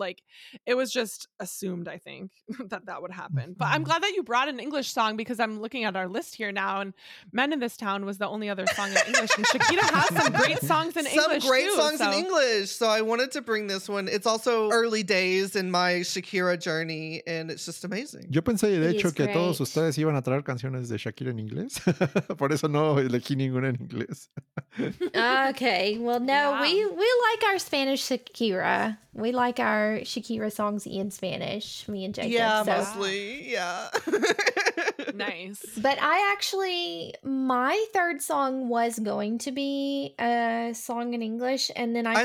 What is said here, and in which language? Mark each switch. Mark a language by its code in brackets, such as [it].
[en] Like it was just assumed, I think, that would happen. Mm-hmm. But I'm glad that you brought an English song, because I'm looking at our list here now and Men in This Town was the only other song in English, and Shakira has some great songs in English. Some great too, songs so. In English. So I wanted to bring this one. It's also early days in my Shakira journey, and it's just amazing. [es] Yo pensé, de hecho, que todos ustedes iban a traer canciones de Shakira en inglés. Por eso no elegí ninguna en inglés. [en] Okay. Well, no, yeah. we like our Spanish Shakira. We like our Shakira songs in Spanish, me and Jacob. Yeah, so. Mostly. Yeah. Nice. But I actually, my third song was going to be a song in English. And then I